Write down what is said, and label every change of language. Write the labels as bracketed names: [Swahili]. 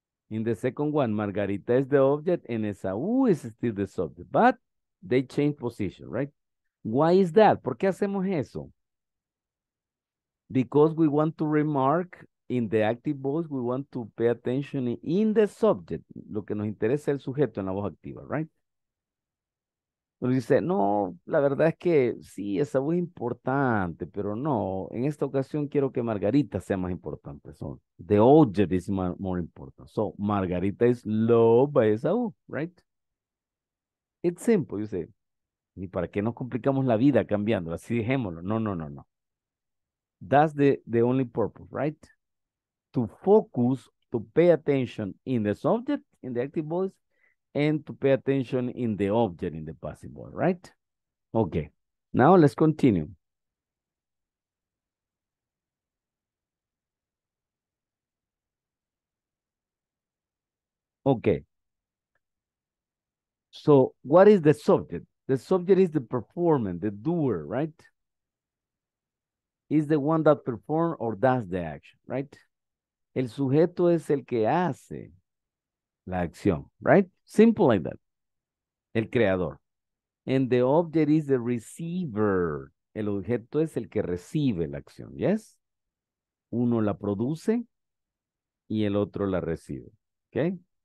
[English] In the second one, Margarita is the object and Esaú is still the subject. But they change position, right? Why is that? [Spanish] ¿Por qué hacemos eso? [English] Because we want to remark in the active voice, we want to pay attention in the subject. [Spanish] Lo que nos interesa es el sujeto en la voz activa, right? Pero dice, no, la verdad es que sí, esa voz es importante, pero no, en esta ocasión quiero que Margarita sea más importante. [English] So, the object is more important. So, Margarita is loved by Esaú, right? It's simple, you say. [Spanish] ¿Y para qué nos complicamos la vida cambiando? Así dejémoslo. [English] No, no, no, no. That's the only purpose, right? To focus, to pay attention in the subject, in the active voice, and to pay attention in the object, in the passive voice, right? Okay, now let's continue. Okay. So, what is the subject? The subject is the performer, the doer, right? Is the one that performs or does the action, right? [Spanish] El sujeto es el que hace la acción, right? [English] Simple like that. [Spanish] El creador. [English] And the object is the receiver. [Spanish] El objeto es el que recibe la acción, yes? Uno la produce y el otro la recibe, okay?